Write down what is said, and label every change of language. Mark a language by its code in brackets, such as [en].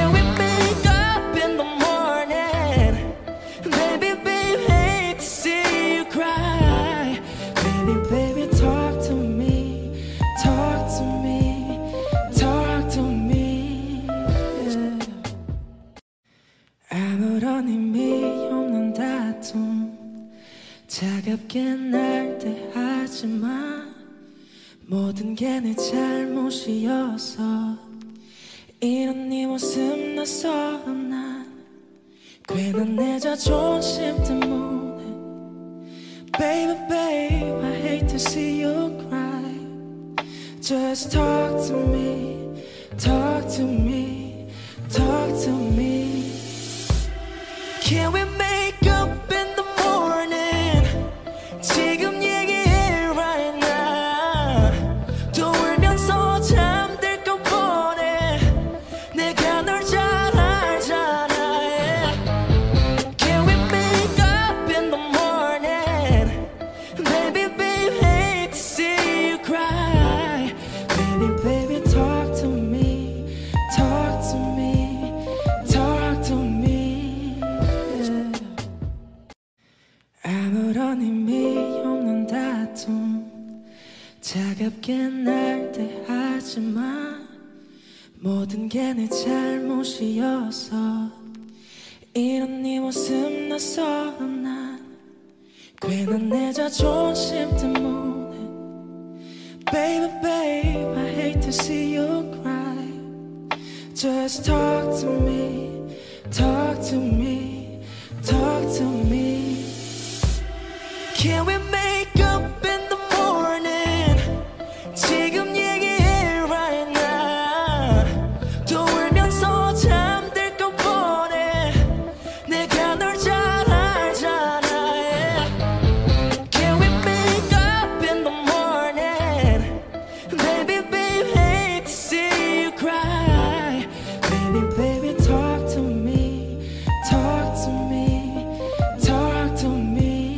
[en] Can we make up in the morning Baby baby hate to see you cry Baby baby talk to me Talk to me Talk to me yeah. [ko] 아무런 의미 없는 다툼 차갑게 날대하지만 모든 게 내 잘못이어서 이런 네 모습 낯설어 난 괜한 내 자존심 때문에 [en] Baby babe I hate to see you cry Just talk to me [ko] Talk to me Talk to me [en] Can we make up in the morning [ko] 지금 얘기해 [en] right now [ko] 또 울면서 잠들 것 뻔해 내가 널 잘 알잖아 yeah. [en] Can we make up in the morning Baby baby hate to see you cry Baby baby talk to me Talk to me Talk to me yeah. [ko] 아무런 의미 없는 다툼 차갑게 날대하지만 모든 게 내 잘못이어서 이런 네 모습 낯설어 난 괜한 내 자존심 때문에 [en] Baby babe I hate to see you cry Just talk to me [ko] Talk to me Talk to me [en] Can we make up in the morning [ko] 지금 얘기해 [en] right now [ko] 또 울면서 잠들 것 뻔해 내가 널 잘 알잖아 yeah. [en] Can we make up in the morning Baby baby hate to see you cry Baby baby talk to me Talk to me Talk to me